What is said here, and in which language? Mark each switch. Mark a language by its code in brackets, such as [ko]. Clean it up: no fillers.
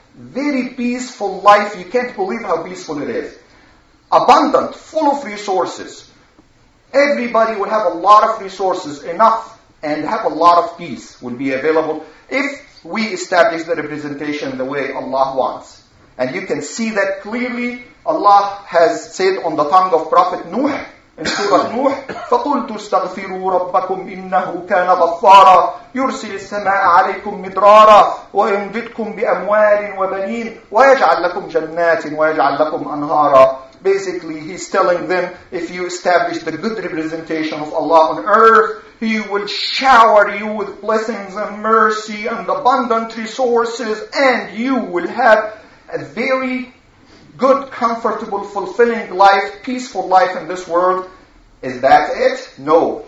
[en] Very peaceful life. You can't believe how peaceful it is. Abundant, full of resources. Everybody will have a lot of resources, enough, and have a lot of peace will be available if we establish the representation the way Allah wants. And you can see that clearly. Allah has said on the tongue of Prophet Nuh, in Surah Nuh, [ar] فَقُلْتُ اسْتَغْفِرُوا رَبَّكُمْ إِنَّهُ كَانَ غَفَّارًا يُرْسِلِ السَّمَاءَ عَلَيْكُمْ مِدْرَارًا وَيُمْدِدْكُمْ بِأَمْوَالٍ وَبَنِينَ وَيَجْعَلْ لَكُمْ جَنَّاتٍ وَيَجْعَلْ لَكُمْ أَنْهَارًا. [en] Basically, he's telling them, if you establish the good representation of Allah on earth, he will shower you with blessings and mercy and abundant resources, and you will have a very good, comfortable, fulfilling life, peaceful life in this world. Is that it? No.